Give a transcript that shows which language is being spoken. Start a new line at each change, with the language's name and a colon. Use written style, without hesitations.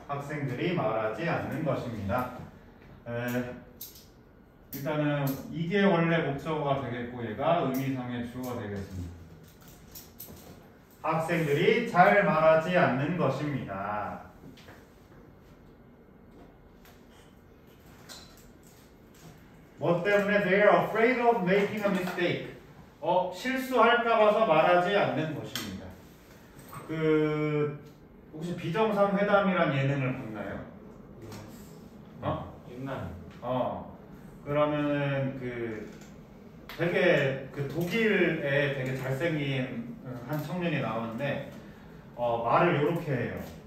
Korean: 학생들이 말하지 않는 것입니다. 일단은 이게 원래 목적어가 되겠고 얘가 의미상의 주어가 되겠습니다. 학생들이 잘 말하지 않는 것입니다. 뭐 때문에
English: they are afraid of making a mistake.
Korean: 어, 실수할까 봐서 말하지 않는 것입니다. 그 혹시 비정상회담이란 예능을 봤나요? 어? 옛날. 어. 그러면은 그 되게 그 독일에 되게 잘생긴 한 청년이 나오는데 말을 이렇게 해요.